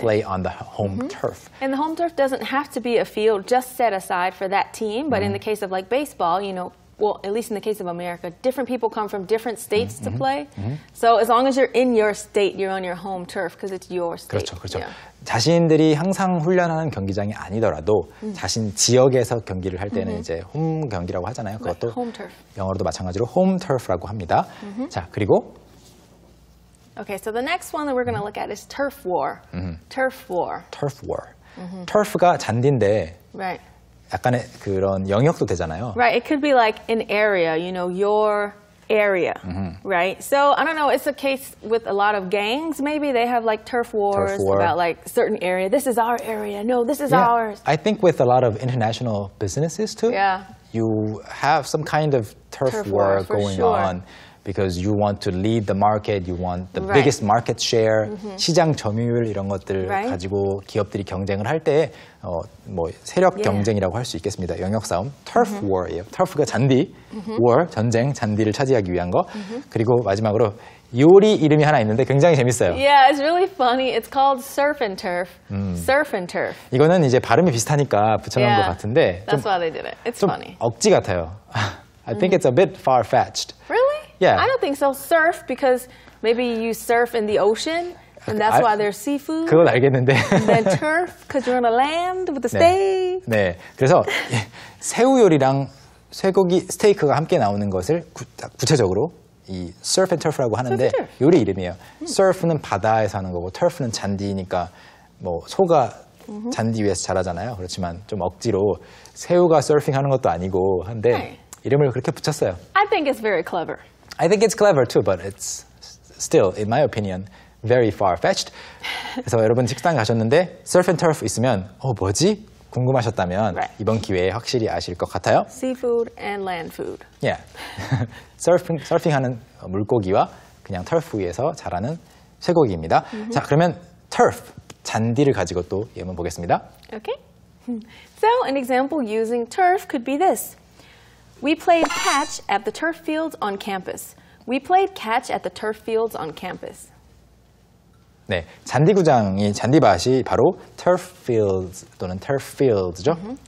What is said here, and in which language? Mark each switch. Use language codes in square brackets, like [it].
[en] Play on the home mm-hmm. turf. And the home turf doesn't have to be a field just set aside for that team, but mm-hmm. in the case of like baseball, you know. Well, at least in the case of America, different people come from different states mm-hmm. to play. Mm-hmm. So as long as you're in your state, you're on your home turf because it's your state. [ko] 그렇죠, 그렇죠. [en] Yeah. [ko] 자신들이 항상 훈련하는 경기장이 아니더라도 mm-hmm. 자신 지역에서 경기를 할 때는 mm-hmm. 이제 홈 경기라고 하잖아요. 그것도 [en] right. home turf. [ko] 영어로도 마찬가지로 home turf라고 합니다. Mm-hmm. 자, 그리고 [en] Okay, so the next one that we're going to look at is turf war. Mm-hmm. Turf war. Turf war. Mm-hmm. [ko] Turf가 잔디인데 [en] Right. [ko] 약간의 그런 영역도 되잖아요. [en] Right, it could be like an area, you know, your area, mm-hmm. right? So, I don't know, it's a case with a lot of gangs. Maybe they have like turf wars turf war. About like certain area. This is our area. No, this is yeah. ours. I think with a lot of international businesses too, yeah. you have some kind of turf war going sure. on because you want to lead the market, you want the right. biggest market share, mm-hmm. [ko] 시장 점유율 이런 것들 [en] right? [ko] 가지고 기업들이 경쟁을 할 때 뭐 세력 [en] yeah. [ko] 경쟁이라고 할 수 있겠습니다. 영역 싸움, turf mm-hmm. war예요. turf가 잔디, mm-hmm. war, 전쟁, 잔디를 차지하기 위한 거. Mm-hmm. 그리고 마지막으로 요리 이름이 하나 있는데 굉장히 재밌어요. [en] Yeah, it's really funny. It's called surf and turf. Surf and turf. [ko] 이거는 이제 발음이 비슷하니까 붙여놓은 [en] yeah. [ko] 것 같은데 [en] That's why they did it. It's [ko] 좀 [en] funny. [ko] 억지 같아요. [en] I think mm-hmm. it's a bit far-fetched. Really? Yeah. I don't think so. Surf because maybe you surf in the ocean. And that's why there's seafood. [ko] 그건 알겠는데. [en] And then turf, because you're on a land with a steak. [ko] 네, 네. 그래서 새우 요리랑 쇠고기 스테이크가 함께 나오는 것을 구체적으로 이 surf and turf라고 하는데 [en] surf and turf. [ko] 요리 이름이에요. Surf는 바다에서 하는 거고 turf는 잔디니까 뭐 소가 잔디 위에서 자라잖아요. 그렇지만 좀 억지로 새우가 surfing하는 것도 아니고 한데 이름을 그렇게 붙였어요. [en] I think it's very clever. I think it's clever too, but it's still, in my opinion, very far-fetched. [ko] 그래서 여러분 식당 가셨는데 surf and turf 있으면 어 뭐지? 궁금하셨다면 [en] right. [ko] 이번 기회에 확실히 아실 것 같아요. [en] Seafood and land food. [ko] Yeah. surfing하는 물고기와 그냥 turf 위에서 자라는 쇠고기입니다. Mm-hmm. 자, 그러면 turf, 잔디를 가지고 또 예문 보겠습니다. [en] Okay. So an example using turf could be this. We played catch at the turf fields on campus. We played catch at the turf fields on campus. [ko] 네, 잔디구장이 잔디밭이 바로 turf fields 또는 turf fields죠. Mm-hmm.